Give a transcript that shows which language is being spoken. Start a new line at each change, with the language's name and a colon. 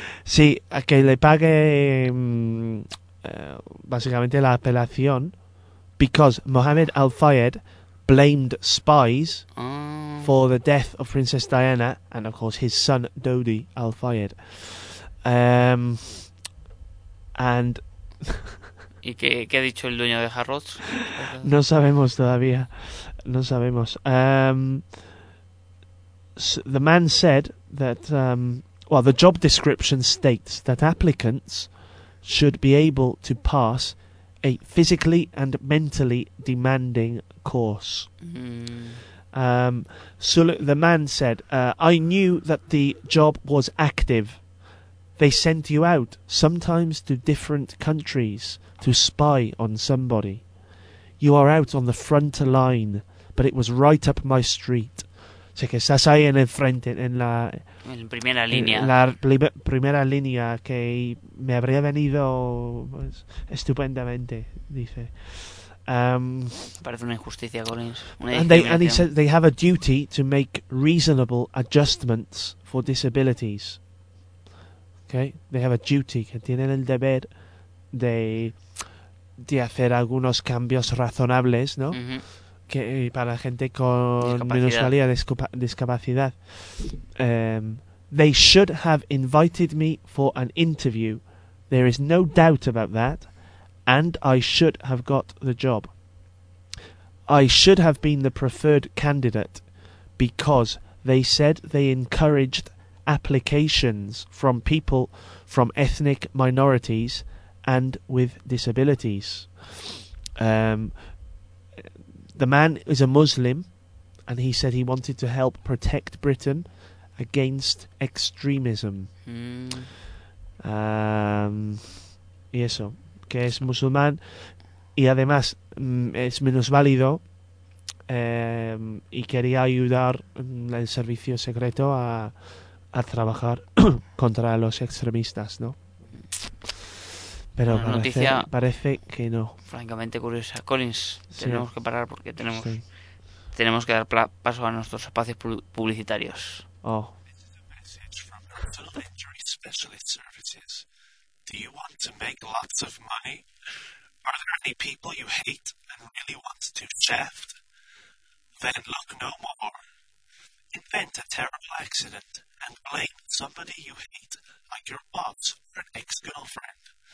Spanish: Sí, a que le pague básicamente la apelación,
English: because Mohamed Al Fayed blamed spies for the death of Princess Diana and of course his son Dodi Al Fayed. And
Spanish: ¿y qué ha dicho el dueño de Harrods? No sabemos todavía. No sabemos.
English: The man said that the job description states that applicants should be able to pass a physically and mentally demanding course. So the man said, I knew that the job was active. They sent you out, sometimes to different countries, to spy on somebody. You are out on the front line, but it was right up my street.
Spanish: O sea, que estás ahí en el frente, en la... En primera línea. En la primera línea que me habría venido pues, estupendamente, dice. Parece una injusticia, Collins.
English: And he said they have a duty to make reasonable adjustments for disabilities. Okay? They have a duty,
Spanish: que tienen el deber de hacer algunos cambios razonables, ¿no? Mm-hmm. Que para gente con minusvalía, discapacidad.
English: They should have invited me for an interview. There is no doubt about that. And I should have got the job. I should have been the preferred candidate because they said they encouraged applications from people from ethnic minorities and with disabilities. The man is a Muslim, and he said he wanted to help protect Britain against extremism. Mm.
Spanish: Y eso, que es musulmán, y además es minusválido, y quería ayudar el servicio secreto a trabajar contra los extremistas, ¿no? Pero bueno, parece que no. Francamente curiosa. Collins, tenemos que parar porque tenemos que dar paso a nuestros espacios publicitarios. Oh.
English: This is a message from Mental Injury Specialist Services. Do you want to make lots of money? Are there any people you hate and really want to shaft? Then look no more. Invent a terrible accident and blame somebody you hate, like your boss or an ex-girlfriend.